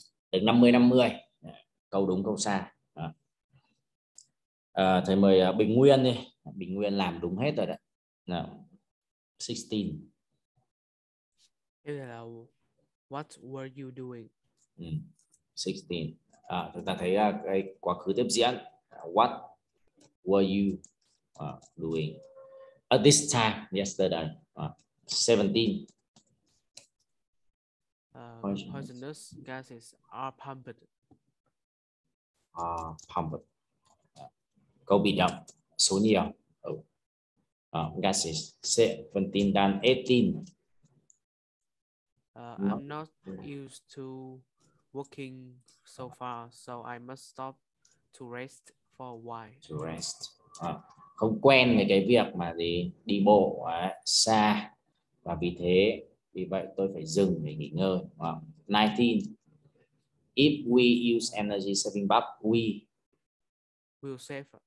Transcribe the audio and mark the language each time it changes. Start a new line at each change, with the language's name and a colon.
Vietnamese: Được 50-50. Câu đúng câu sai. À, thầy mời Bình Nguyên đi. Bình Nguyên làm đúng hết rồi đấy. Nào, 16. Thế là...
English: What were you doing? 16.
Vietnamese: À, chúng ta thấy cái quá khứ tiếp diễn.
English: What were you doing at this time yesterday? 17. Poisonous gases are pumped.
Vietnamese: Pumped. Câu bị động. Số nhiều. Gases.
English: 17 than 18. I'm not used to working so far, so I must stop to rest for a while. To rest.
Vietnamese: Không quen với cái việc mà gì đi bộ xa. Và vì thế, vì vậy tôi phải dừng để nghỉ ngơi.
English: 19. If we use energy saving bulb, we will save.